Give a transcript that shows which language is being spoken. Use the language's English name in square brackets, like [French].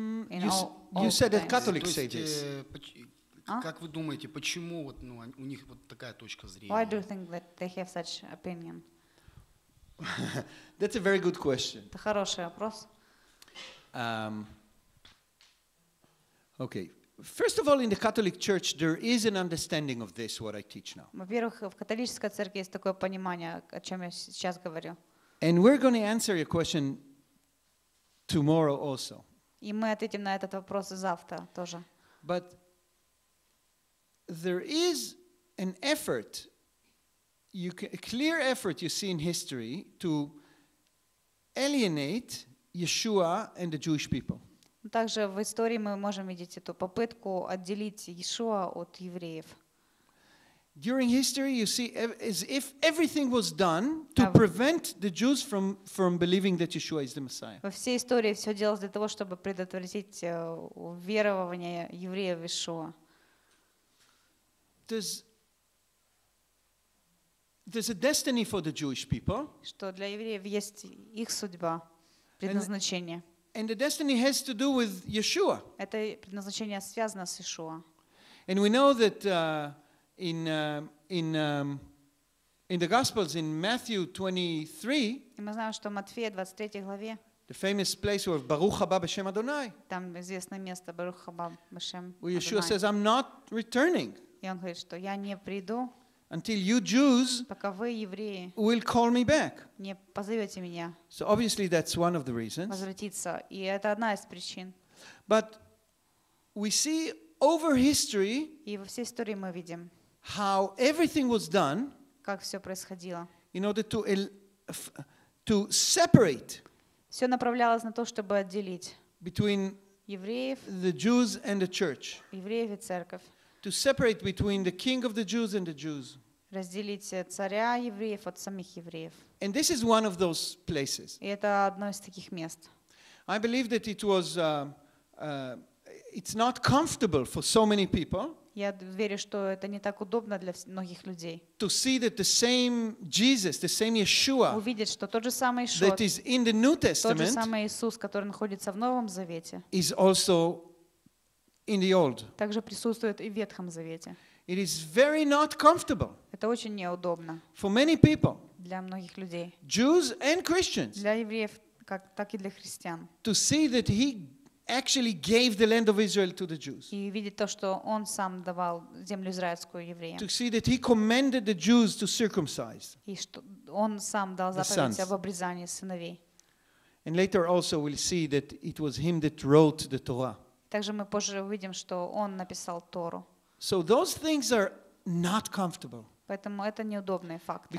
[English] You said that Catholics say this. [Russian] Как вы думаете, почему вот, ну, у них вот такая точка зрения? [English] Why do you think that they have such opinion? That's a very good question. [Russian] Это хороший вопрос. [English] Okay. First of all, in the Catholic Church, there is an understanding of this, what I teach now. [Russian] Во-первых, в католической церкви есть такое понимание, о чем я сейчас говорю. [English] And we're going to answer your question tomorrow also. [Russian] И мы ответим на этот вопрос завтра тоже. [English] But there is an effort, a clear effort you see in history to alienate Yeshua and the Jewish people. [Russian] Также в истории мы можем видеть эту попытку отделить Иешуа от евреев. [English] During history you see as if everything was done to prevent the Jews from believing that Yeshua is the Messiah. [Russian] Во всей истории всё делалось для того, чтобы предотвратить уверование евреев в Иешуа. [English] There's a destiny for the Jewish people. [Russian] Что для евреев есть их судьба, предназначение. [English] And the destiny has to do with Yeshua. [Russian] Это предназначение связано с Иешуа. [English] And we know that in the Gospels in Matthew 23. [Russian] Мы знаем, что Матфея 23 главе. [English] The famous place of [Hebrew] Baruch Haba B'Shem Adonai. [Russian] Там известное место [Hebrew] Baruch Haba B'Shem Adonai. [English] Yeshua says, "I'm not returning." [Russian] И он говорит, что я не приду. [English] Until you Jews, [Russian] пока вы евреи, [English] will call me back. [Russian] Не позовете меня. [English] So obviously that's one of the reasons. [Russian] Возвратиться, и это одна из причин. [English] But we see over history. [Russian] И во всей истории мы видим. [English] How everything was done. [Russian] Как все происходило. [English] In order to separate. [Russian] Все направлялось на то, чтобы отделить. [English] Between [Russian] евреев, [English] the Jews and the church. [Russian] Евреев и церковь. [English] To separate between the king of the Jews and the Jews. [Russian] Разделить царя евреев от самих евреев. [English] And this is one of those places. [Russian] И это одно из таких мест. [English] I believe that it was it's not comfortable for so many people. [Russian] Я верю, что это не так удобно для многих людей. [English] To see that the same Jesus, the same Yeshua. [Russian] Увидеть, что тот же самый Иешуа. [English] That is in the New Testament. [Russian] Тот же самый Иисус, который находится в Новом Завете. [English] Is also in the old. [Russian] Также присутствует и в Ветхом Завете. [English] It is very not comfortable. [Russian] Это очень неудобно. [English] For many people. [Russian] Для многих людей. [English] Jews and Christians. [Russian] Для евреев, как так и для христиан. [English] To see that he actually gave the land of Israel to the Jews. [Russian] И видеть то, что он сам давал землю израильскую евреям. [English] To see that he commanded the Jews to circumcise. [Russian] И что он сам дал заповедь об обрезании сыновей. [English] And later also we'll see that it was him that wrote the Torah. [Russian] Также мы позже увидим, что он написал Тору. [English] So those things are not comfortable. [Russian] Поэтому это неудобные факты.